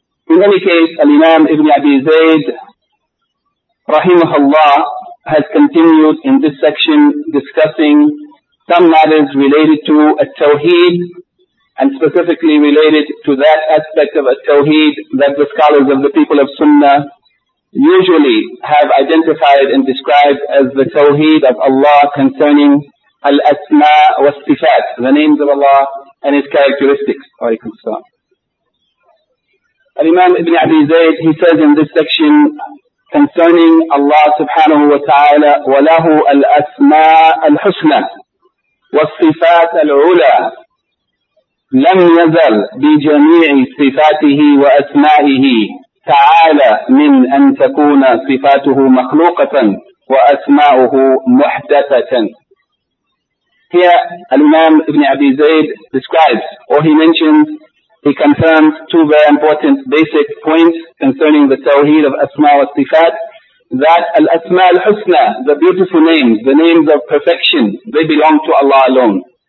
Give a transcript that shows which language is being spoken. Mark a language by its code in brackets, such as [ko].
[en] In any case, Al-Imam ibn Abi Zaid rahimahullah has continued in this section discussing some matters related to At-Tawheed, and specifically related to that aspect of At-Tawheed that the scholars of the people of Sunnah usually have identified and described as the Tawheed of Allah concerning Al-Asma wa Sifat, the names of Allah and His characteristics. Al-Imam ibn Abi Zaid, he says in this section concerning Allah subhanahu wa ta'ala, [ar] وَلَهُ الْأَسْمَاء الْحُسْنَى وَالصِّفَاتَ الْعُلَى لَمْ يَزَلْ بِجَمِيعِ صِفَاتِهِ وَأَسْمَائِهِ تَعَالَى مِنْ أَنْ تَكُونَ صِفَاتُهُ مَخْلُوقَةً وَأَسْمَاؤُهُ مُحْدَثَةً. [en] Here Al-Imam ibn Abi Zaid describes, or he mentions, he confirms two very important basic points concerning the Tawheed of Asma wa Sifat, that Al-Asma al-Husna, the beautiful names, the names of perfection, they belong to Allah alone.